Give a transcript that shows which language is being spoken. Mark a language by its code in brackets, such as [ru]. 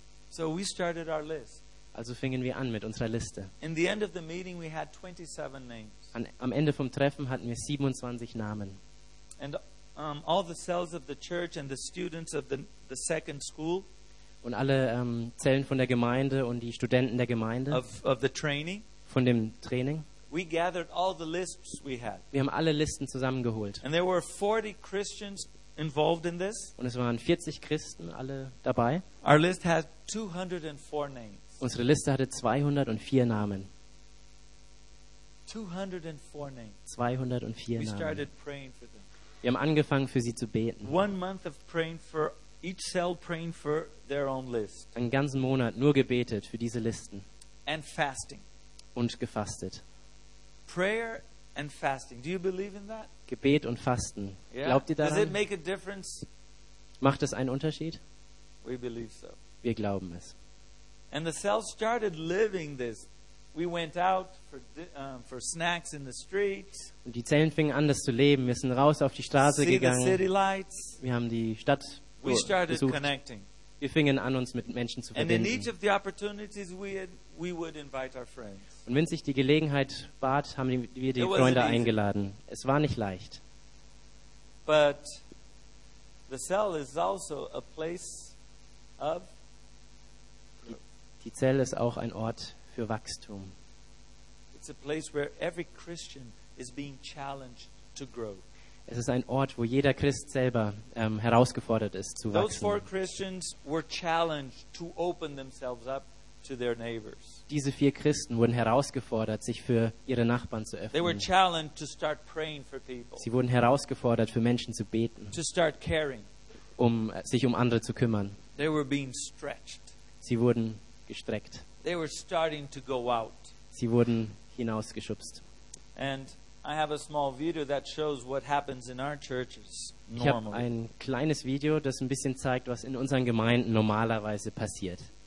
[en] So we started our list. [de] Also fingen wir an mit unserer Liste. [en] In the end of the meeting we had 27 names. [de] Am Ende vom Treffen hatten wir 27 Namen. [en] And all the cells of the church and the students of the second school. [de] Und alle Zellen von der Gemeinde und die Studenten der Gemeinde. [en] Of the training. [de] Von dem Training. [en] We gathered all the lists we had. [de] Wir haben alle Listen zusammengeholt. [en] And there were 40 Christians involved in this. [de] Und es waren 40 Christen alle dabei. [en] Our list had 204 names. [de] Unsere Liste hatte 204 Namen. [en] 204 names. [de] 204 Namen. [en] We started praying for them. [de] Wir haben angefangen für sie zu beten. [en] One month of praying for each cell, praying for their own list. [de] Einen ganzen Monat nur gebetet für diese Listen. [en] And fasting. [de] Und gefastet. [en] Prayer and fasting. Do you believe in that? [de] Gebet und Fasten. [en] Yeah. [de] Glaubt ihr daran? [en] Does it make a difference? [de] Macht es einen Unterschied? [en] We believe so. [de] Wir glauben es. [en] And the cells started living this. We went out for snacks in the streets. [de] Und die Zellen fingen an, das zu leben. Wir sind raus auf die Straße gegangen. [en] See the city lights. [de] Wir haben die Stadt besucht. [en] We started connecting. [de] Wir fingen an, uns mit Menschen zu verbinden. [en] And in each of the opportunities we had, we would invite our friends. [de] Und wenn sich die Gelegenheit bat, haben wir die Freunde eingeladen. Es war nicht leicht. [en] But the cell is also a place of [de] die Zelle ist auch ein Ort für Wachstum. [en] It's a place where every Christian is being challenged to grow. [de] Es ist ein Ort, wo jeder Christ selber herausgefordert ist, zu wachsen. [en] Those four Christians were challenged to open themselves up to their neighbors. [de] Diese vier Christen wurden herausgefordert, sich für ihre Nachbarn zu öffnen. [en] They were challenged to start praying for people. [de] Sie wurden herausgefordert, für Menschen zu beten. [en] To start caring. [de] Um sich um andere zu kümmern. [en] They were being stretched. [de] Sie wurden gestreckt. [en] They were starting to go out. [de] Sie wurden hinausgeschubst. [en] And I have a small video that shows what happens in our churches normally. [de] Ich habe ein kleines Video, das ein bisschen zeigt, was in unseren Gemeinden normalerweise passiert.